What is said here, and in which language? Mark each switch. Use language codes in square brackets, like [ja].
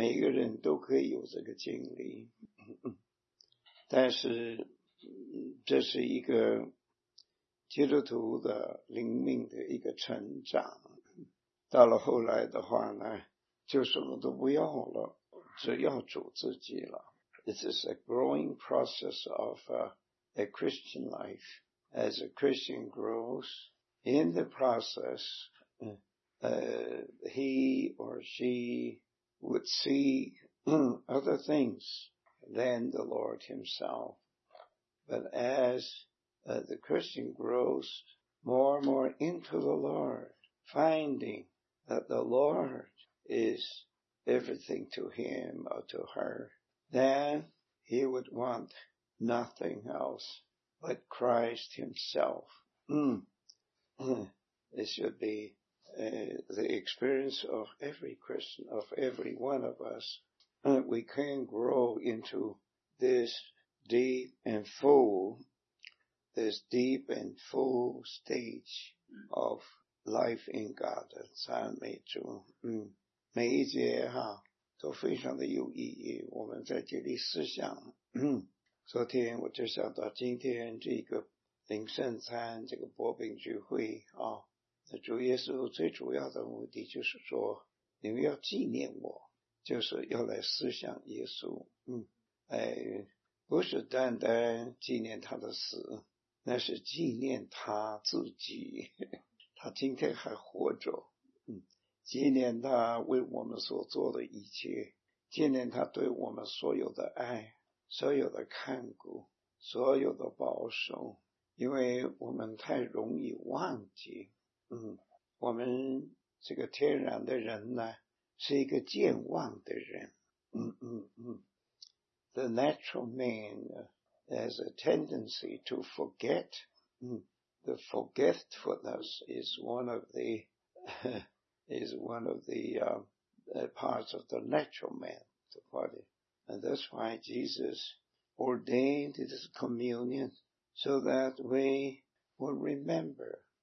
[zh] 人都可以有这个经历，但是这是一个基督徒的灵命的一个成长。到了后来的话呢，就什么都不要了，只要主自己了。 [en] It is a growing process of a Christian life. As a Christian grows in the process, he or she would see other things than the Lord himself. But as the Christian grows more and more into the Lord, finding that the Lord is everything to him or to her, then he would want nothing else but Christ himself. It should be the experience of every Christian, of every one of us, that we can grow into this deep and full, this deep and full stage of life in God. [zh] 赞美主，每一节哈都非常的有意义，我们在这里思想。昨天我就想到今天这个领圣餐，这个薄饼聚会啊，那主耶稣最主要的目的就是说，你们要纪念我，就是要来思想耶稣。不是单单纪念他的死，那是纪念他自己，他今天还活着。纪念他为我们所做的一切，纪念他对我们所有的爱，所有的看顾，所有的保守，因为我们太容易忘记。我们这个天然的人呢，是一个健忘的人。 [en] The natural man has a tendency to forget. The forgetfulness is one of the parts of the natural man. And that's why Jesus ordained this communion, so that we will remember.